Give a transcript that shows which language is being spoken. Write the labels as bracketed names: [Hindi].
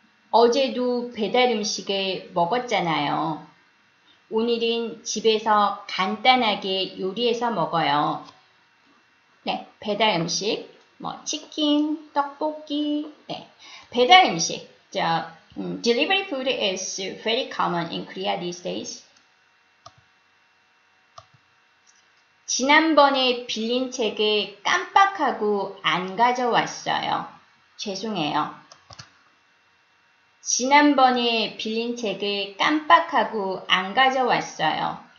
[Korean] 어제도 배달 음식을 먹었잖아요. 오늘은 집에서 간단하게 요리해서 먹어요. 네, 배달 음식, 뭐 치킨, 떡볶이, 네, 배달 음식. [English] Delivery food is very common in Korea these days. [Korean] 지난번에 빌린 책을 깜빡하고 안 가져왔어요. 죄송해요. 지난번에 빌린 책을 깜빡하고 안 가져왔어요.